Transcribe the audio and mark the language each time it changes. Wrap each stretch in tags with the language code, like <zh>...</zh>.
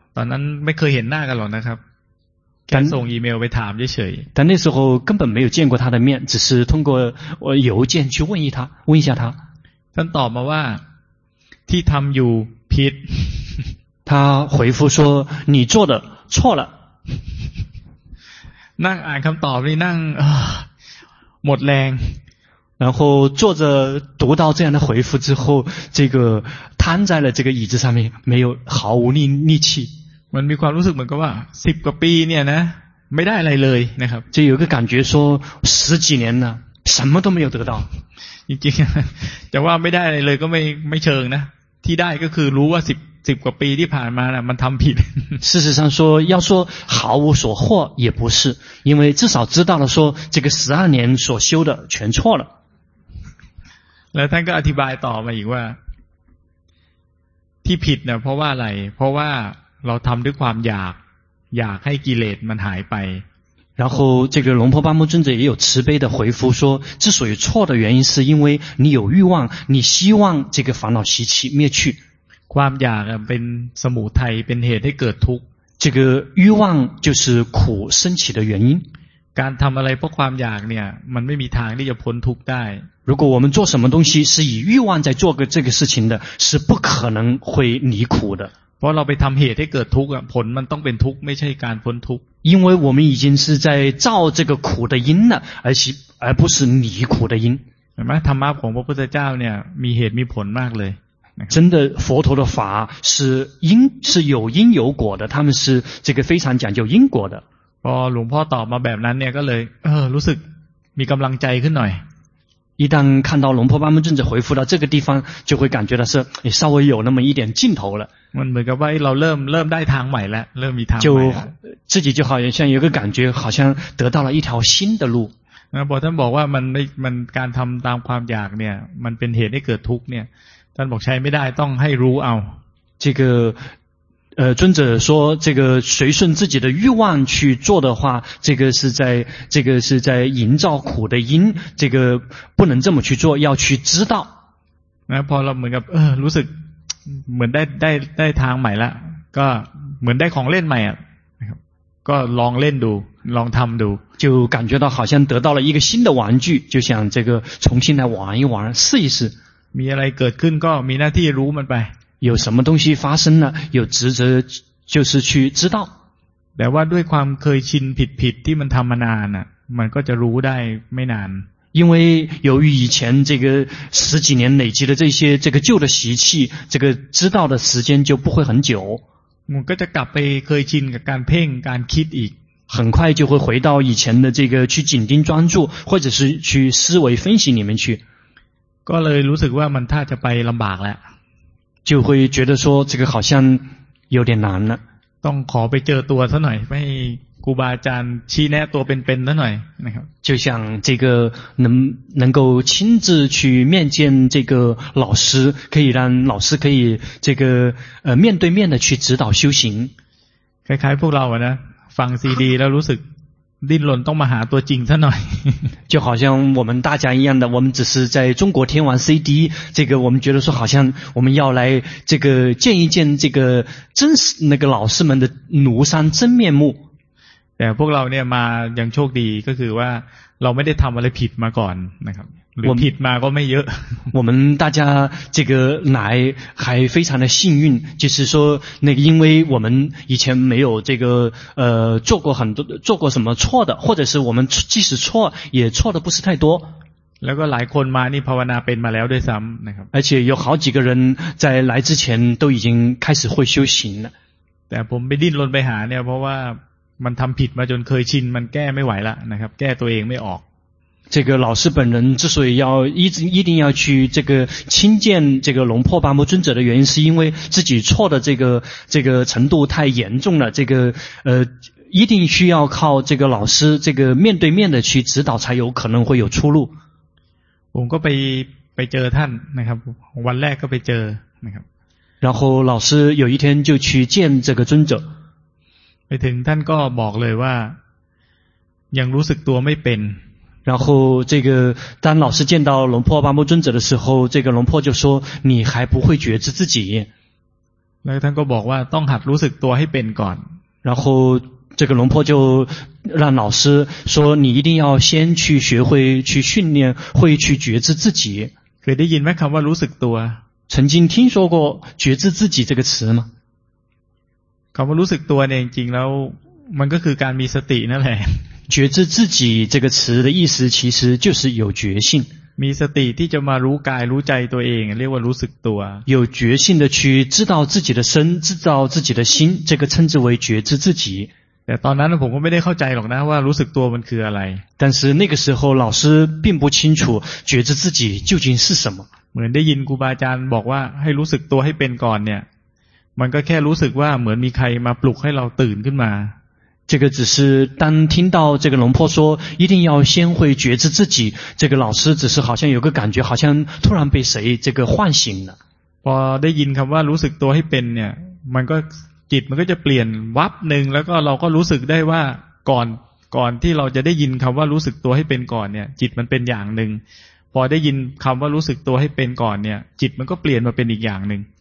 <th>ตอนนั้นไม่เคยเห็นหน้ากันหรอกนะครับแค่ส่งอีเมลไปถามเฉย</th> <zh>ๆ但那时候根本没有见过他的面只是通过邮件去问一下他</zh> <th>ท่านตอบมาว่าที่ทำอยู่ผิด</th> <zh>他回复说你做的错了</zh> <th>นั่งอ่านคำตอบนี่นั่งหมดแรง</th> <zh>然后坐着读到这样的回复之后这个瘫在了这个椅子上面没有毫无力气</zh> <th>มันมีความรู้สึกเหมือนกับว่า10กว่าปีเนี่ยนะไม่ได้อะไรเลยนะครับ</th> <zh>就有一个感觉说十几年了什么都没有得到</zh> <th>จริงๆจะว่าไม่ได้เลยก็ไม่เชิงนะที่ได้ก็คือรู้ว่า10กว่าปีที่ผ่านมาน่ะมันทำผิด</th> <zh>事实上说要说毫无所获也不是因为至少知道了说这个12年所修的全错了</zh> <th>แล้วท่านก็อธิบายต่อมาอีกว่าที่ผิดเนี่ยเพราะว่าอะไรเพราะว่าเราทำด้วยความอยากให้กิเลสมันหายไป</th> <zh>然后这个龙婆巴木尊者也有慈悲的回复说之所以错的原因是因为你有欲望你希望这个烦恼习气灭去</zh> <th>ความอยากเป็นสมุทัยเป็นเหตุให้เกิดทุกข์</th> <zh>这个欲望就是苦升起的原因</zh> <th>การทำอะไรเพราะความอยากเนี่ยมันไม่มีทางที่จะพ้นทุกข์ได้</th> <zh>如果我们做什么东西是以欲望在做个这个事情的是不可能会离苦的</zh> <th>เพราะเราไปทำเหตุให้เกิดทุกข์ผลมันต้องเป็นทุกข์ไม่ใช่การพ้นทุกข์</th> <zh>因为我们已经是在造这个苦的因了而不是离苦的因</zh> <th>ใช่ไหมธรรมะของพระพุทธเจ้าเนี่ยมีเหตุมีผลมากเลย</th> <zh>真的佛陀的法是有因有果的他们是这个非常讲究因果的</zh> <th>พอหลวงพ่อตอบมาแบบนั้นเนี่ยก็เลยรู้สึกมีกำลังใจขึ้นหน่อย</th> <zh>一旦看到龙婆巴木尊者回复到这个地方就会感觉到是稍微有那么一点劲头了</zh> <th>มันเหมือนกับว่าเราเริ่มได้ทางใหม่แล้วเริ่มมีทาง ใหม่</th> <zh>就自己就好像有个感觉好像得到了一条新的路</zh> <th>ท่านบอกว่ามันการทำตามความอยากเนี่ยมันเป็นเหตุให้เกิดทุกข์เนี่ยท่านบอกใช้ไม่ได้ต้องให้รู้เอา</th> <zh>这个尊者说这个随顺自己的欲望去做的话这个是在营造苦的因这个不能这么去做要去知道那</zh> <th>พอเราเหมือนกับรู้สึกเหมือนได้ทางใหม่ละก็เหมือนได้ของเล่นใหม่อ่ะก็ลองเล่นดูลองทำดู</th> <zh>就感觉到好像得到了一个新的玩具就想这个重新来玩一玩试一试</zh> <th>มีอะไรเกิดขึ้นก็มีหน้าที่รู้มันไป</th> <zh>有什么东西发生了有职责就是去知道</zh> <th>แต่ว่าด้วยความเคยชินผิดที่มันทำมานานมันก็จะรู้ได้ไม่นาน</th> <zh>因为由于以前这个十几年累积的这些这个旧的习气这个知道的时间就不会很久</zh> <th>มันก็จะกลับไปเคยชินกับการเพ่งการคิดอีก</th> <zh>很快就会回到以前的这个去紧盯专注或者是去思维分析里面去</zh> <th>ก็เลยรู้สึกว่ามันถ้าจะไปลำบากแล้ว</th> <zh>就会觉得说这个好像有点难了</zh> <th>ต้องขอไปเจอตัวซะหน่อยไม่ครูบาอาจารย์ชี้แนะตัวเป็นๆซะหน่อยนะครับ</th> <zh>就像这个能够亲自去面见这个老师可以让老师可以这个面对面的去指导修行</zh> <th>คล้ายๆพวกเราอะนะฟังซีดีแล้วรู้สึกดิ้นรนต้องมาหาตัวจริงซะหน่อย</th> <zh>就好像我们大家一样的我们只是在中国听完 CD 这个我们觉得说好像我们要来这个见一见这个真实那个老师们的庐山真面目</zh> <th>แต่พวกเราเนี่ยมาอย่างโชคดีก็คือว่าเราไม่ได้ทำอะไรผิดมาก่อนนะครับหรือผิดมาก็ไม่เยอะ</th> <zh>我们大家这个来还非常的幸运就是说那个因为我们以前没有这个做过很多做过什么错的或者是我们即使错也错的不是太多</zh> <th>แล้วก็หลายคนมานี่ภาวนาเป็นมาแล้วด้วยซ้ำนะครับ</th> <zh>而且有好几个人在来之前都已经开始会修行了</zh> <th>แต่ผมไปดิ้นรนไปหาเนี่ยเพราะว่ามันทำผิดมาจนเคยชินมันแก้ไม่ไหวแล้วนะครับแก้ตัวเองไม่ออก</th> <zh>这个老师本人之所以要一定要去这个亲见这个龙婆巴木尊者的原因是因为自己错的这个程度太严重了这个一定需要靠这个老师这个面对面的去指导才有可能会有出路</zh> <th>ผมก็ไปเจอท่านนะครับวันแรกก็ไปเจอนะครับ</th> <zh>然后老师有一天就去见这个尊者</zh> <th>ไปถึงท่านก็บอกเลยว่ายังรู้สึกตัวไม่เป็น</th> <zh>然后这个当老师见到龙婆巴木尊者的时候这个龙婆就说你还不会觉知自己</zh> <th>แล้วท่านก็บอกว่าต้องหัดรู้สึกตัวให้เป็นก่อน</th> <zh>然后这个龙婆就让老师说你一定要先去学会去训练会去觉知自己</zh> <th>เคยได้ยินไหมคำว่ารู้สึกตัว</th> <zh>曾经听说过觉知自己这个词吗</zh> <th>คำว่ารู้สึกตัวเนี่ยจริงๆแล้วมันก็คือการมีสตินั่นแหละ</th> <zh>觉知自己这个词的意思其实就是有觉性</zh> <th>มีสติที่จะมารู้กายรู้ใจตัวเองเรียกว่ารู้สึกตัว</th> <zh>有觉性的去知道自己的身知道自己的心这个称之为觉知自己</zh> <th>แต่ตอนนั้นผมก็ไม่ได้เข้าใจหรอกนะว่ารู้สึกตัวมันคืออะไร</th> <zh>但是那个时候老师并不清楚觉知自己究竟是什么</zh> <th>เหมือนได้ยินครูบาอาจารย์บอกว่าให้รู้สึกตัวให้เป็นก่อนเนี่ยมันก็แค่รู้สึกว่าเหมือนมีใครมาปลุกให้เราตื่นขึ้นมา</th> <zh>这个只是当听到这个龙婆说一定要先会觉知自己这个老师只是好像有个感觉好像突然被谁这个唤醒了</zh> <th>พอได้ยินคำว่ารู้สึกตัวให้เป็นเนี่ยมันก็จิตมันก็จะเปลี่ยนวับหนึ่งแล้วก็เราก็รู้สึกได้ว่าก่อนที่เราจะได้ยินคำว่ารู้สึกตัวให้เป็นก่อนเนี่ยจิตมันเป็นอย่างหนึ่งพอได้ยินคำว่ารู้สึกตัวให้เป็นก่อนเนี่ยจิตมันก็เปลี่ยนมาเป็นอีกอย่างหนึ่ง</th>